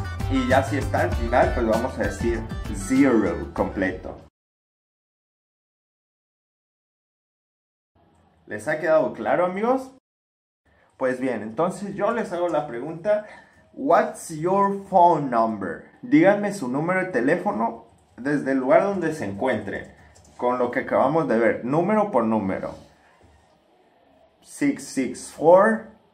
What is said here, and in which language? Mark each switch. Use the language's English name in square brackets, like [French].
[Spanish] Y ya si está al final, pues vamos a decir 0 completo. ¿Les ha quedado claro, amigos? Pues bien, entonces yo les hago la pregunta. [English] What's your phone number? [Spanish] Díganme su número de teléfono desde el lugar donde se encuentre. Con lo que acabamos de ver, número por número. 664.